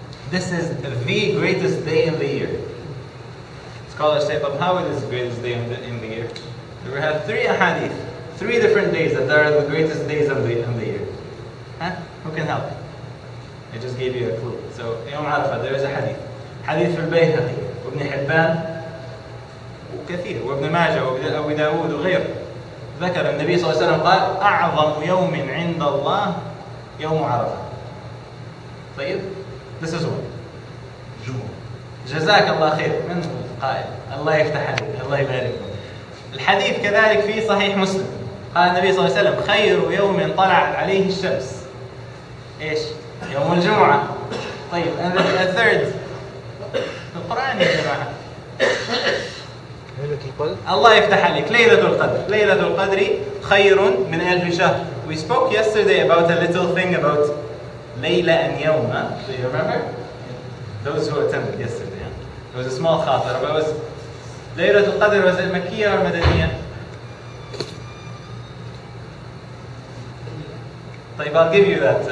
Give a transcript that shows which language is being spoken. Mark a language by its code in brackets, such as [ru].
[en] This is the greatest day in the year. Scholars say, but how is this the greatest day in the year? We have three ahadith, three different days that are the greatest days of the year. Huh? Who can help? I just gave you a clue. So, Yom Arafah, there is a hadith. [ar] حديث البيهقي وابن حبان وكثير وابن ماجه وابن أبي داود وغيره ذكر النبي صلى الله عليه وسلم قال أعظم يوم عند الله يوم عرفة. [en] طيب this is one. [ar] جزاك الله خير من القائل الله يفتح عليك الله يبارك. الحديث كذلك في صحيح مسلم قال النبي صلى الله عليه وسلم خير يوم طلعت عليه الشمس إيش يوم الجمعة. طيب [en] and the third [ar] القرآن يا جماعة الله يفتح عليك ليلة القدر. ليلة القدر خير من ألف شهر. [en] We spoke yesterday about a little thing about ليلة and يوم. Do you remember? Those who attended yesterday. It was a small khatar. But it was ليلة القدر was it مكية or مدنية؟ طيب I'll give you that.